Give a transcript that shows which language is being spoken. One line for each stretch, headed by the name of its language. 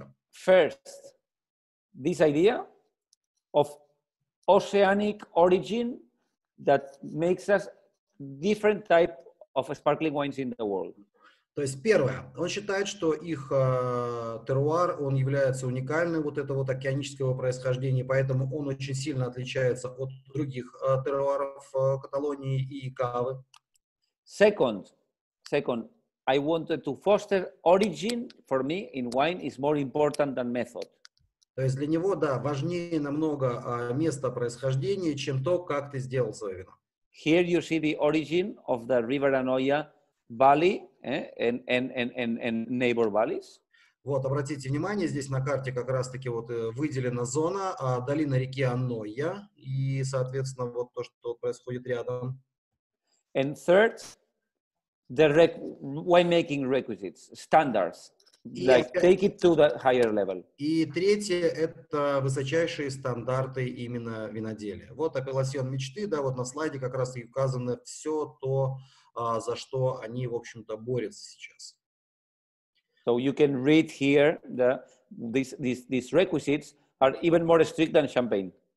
English: First, this idea of oceanic origin that makes us different type of sparkling wines in the world.
Russian: То есть первое, он считает, что их терруар, он является уникальным, вот это вот океанического происхождения, поэтому он очень сильно отличается от других терруаров Каталонии и Кавы.
English: Second, I wanted to foster origin for me in wine is more important than method.
Russian: То есть для него, да, важнее намного место происхождения, чем то, как ты сделал свое вино.
English: Here you see the origin of the River Anoia valley and neighbor valleys.
Russian: Вот, обратите внимание, здесь на карте как раз-таки вот выделена зона долина реки Анойя и, соответственно, вот то, что происходит рядом.
English: And third, the winemaking requisites, standards, like take it to the higher level.
Russian: И третье – это высочайшие стандарты именно виноделия. Вот апелласьон мечты, да, вот на слайде как раз и указано все то, за что они, в общем-то, борются сейчас.
English: So you can read here that these requisites are even more strict than champagne.